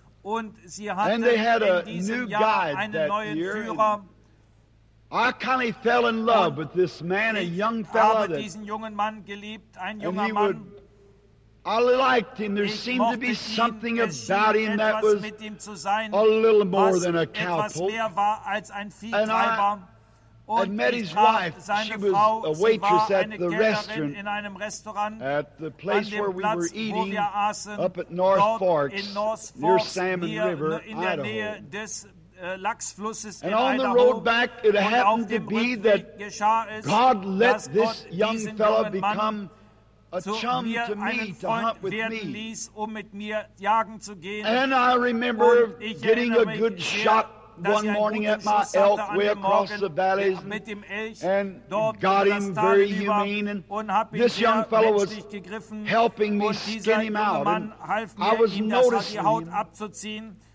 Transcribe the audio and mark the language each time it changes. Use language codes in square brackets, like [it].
[de] Und sie hatten in diesem Jahr einen neuen Führer. [en] I kind of fell in love with this man, a young fellow. [de] Ich habe diesen jungen Mann geliebt, ein junger Mann. [en] I liked him. There seemed to be something about him that was a little more than a cowpoke. And I met his wife. She was a waitress at the restaurant, [de] in einem Restaurant, [en] at the place where we were eating, [de] wo wir aßen, [en] up at North Forks, [de] in North Forks, [en] near Salmon River, [de] in der Idaho. Nähe des, Lachsflusses [en] and in on Idaho. The road back, it happened to be that God let this young fellow become a chum to me, to hunt with me. [de] Ließ, um mit mir jagen zu gehen. [en] And I remember getting a good shot one morning at my elk way across the valleys and got him very humane, and this young fellow was helping me skin him out, and I was noticing him.